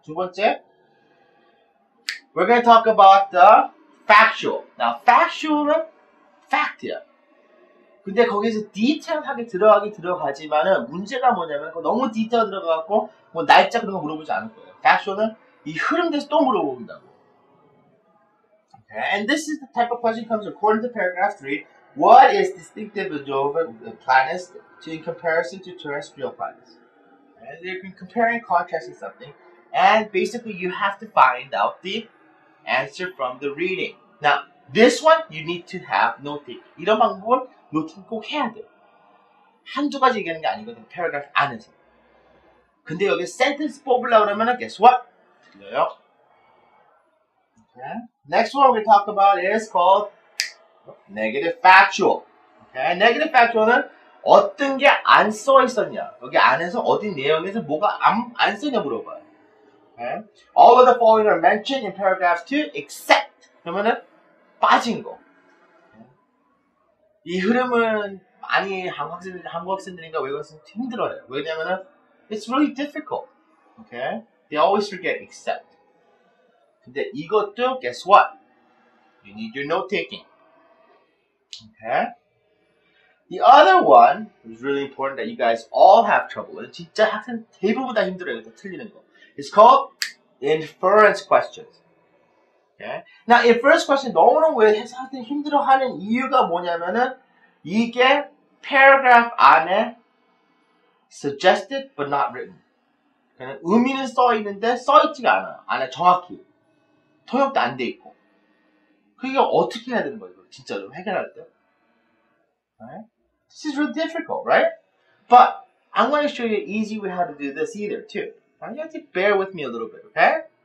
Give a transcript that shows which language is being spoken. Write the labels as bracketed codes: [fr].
[ko] 두 번째. [en] We're gonna talk about the factual. [ko] Now, factual은 fact이야. 근데 거기서 디테일하게 들어가지만은 문제가 뭐냐면 너무 디테일 들어가갖고 뭐 날짜 그런 거 물어보지 않을 거예요. Factual은 이 흐름 대해서 또 물어본다고. [en] Okay, and this is the type of question comes according to paragraph 3. What is distinctive about planets in comparison to terrestrial planets? And they're comparing and contrasting something. And basically you have to find out the answer from the reading. Now, this one you need to have noting. [ko] 이런 방법은 노팅 꼭 해야 돼. 한두 가지 얘기하는 게 아니거든. 패러그래프 안에서. 근데 여기 sentence 뽑으려고 하면 [en] guess what? [ko] 틀려요. Okay. [en] Next one we talk about is called negative factual. [ko] Okay. Negative factual은 어떤 게 안 써 있었냐. 여기 안에서 어디 내용에서 뭐가 안 쓰냐 물어봐요. [en] Okay. All of the following are mentioned in paragraph 2 except [ko] 그러면은 빠진 거. 이 흐름은 많이 한국 학생들인가 외국 학생들 힘들어요. [en] 왜냐면은 it's really difficult. Okay? They always forget except. [ko] 근데 이것도 [en] guess what? You need your note taking. Okay? The other one is really important that you guys all have trouble with. [ko] 진짜 학생 대부분 다 힘들어요. 이거 틀리는 거. [en] It's called inference questions. Okay? [ko] Now, inference question 너무너무 왜 해석하기 힘들어하는 이유가 뭐냐면은 이게 paragraph 안에 [en] suggested but not written. [ko] 그냥 의미는 써 있는데 써 있지가 않아. 안에 정확히 통역도 안 돼 있고. 그게 어떻게 해야 되는 거예요? 진짜로 해결할 때. [en] Right? This is really difficult, right? But I'm going to show you an easy way how to do this either too. You have to bear with me a little bit, okay?